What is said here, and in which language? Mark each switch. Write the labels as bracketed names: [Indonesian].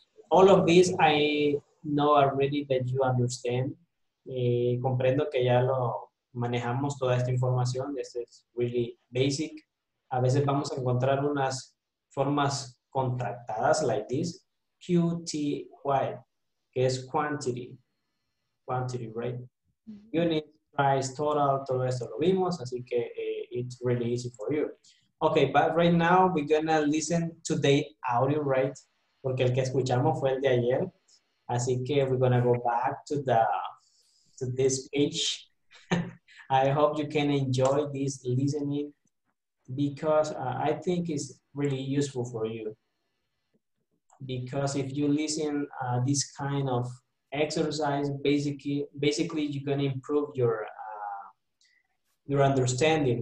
[English] All of this I know already that you understand. [Spanish] Comprendo que ya lo manejamos toda esta información. [English] This is really basic. [Spanish] A veces vamos a encontrar unas formas contractadas [English] like this. QTY, que es quantity. Quantity, right? Unit, price, total, [Spanish] todo esto lo vimos. Así que [English] it's really easy for you. Okay, but right now we're gonna listen to the audio, right? [Spanish] Porque el que escuchamos fue el de ayer. Así que [English] we're gonna go back to this page. I hope you can enjoy this listening because I think it's really useful for you. Because if you listen this kind of exercise, basically you're gonna improve your understanding.